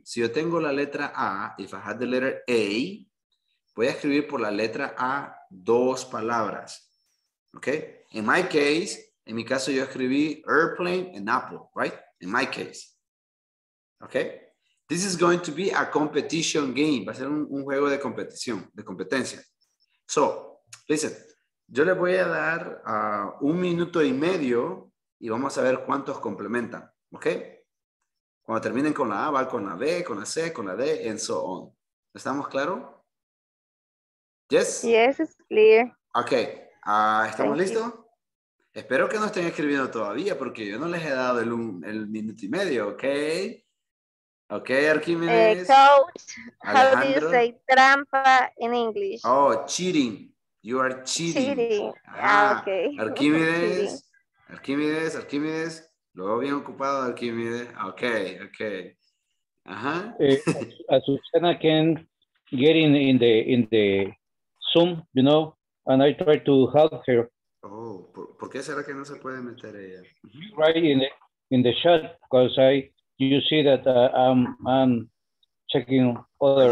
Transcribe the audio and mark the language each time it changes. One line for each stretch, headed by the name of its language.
Spanish: Si yo tengo la letra A,
English: if I had the letter A,
Spanish: voy a escribir por la letra A dos palabras. Okay?
English: In my case,
Spanish: en mi caso, yo escribí
English: airplane and apple, right? In my case. Okay? This is going to be a competition game.
Spanish: Va a ser un juego de competición, de competencia.
English: So, listen.
Spanish: Yo le voy a dar un minuto y medio y vamos a ver cuántos complementan, ¿ok? Cuando terminen con la A, va con la B, con la C, con la D,
English: and so on.
Spanish: ¿Estamos claros? Yes?
English: Yes, it's clear.
Spanish: Ok, ¿estamos Thank listos? You. Espero que no estén escribiendo todavía porque yo no les he dado el minuto y medio, ¿ok? Ok, Arquímedes.
English: Coach, Alejandro. How do you say trampa in English? Oh, cheating. You are cheating. Cheating. Ah, okay.
Spanish: Arquímedes. Cheating. Arquímedes, Arquímedes. Luego bien ocupado, Arquímedes.
English: Okay, okay. Uh-huh. Azucena can get in the Zoom, you know, and I try to help her.
Spanish: Oh, ¿por qué será que no se puede meter ella? Uh-huh.
English: Right in the chat, because you see that I'm checking other.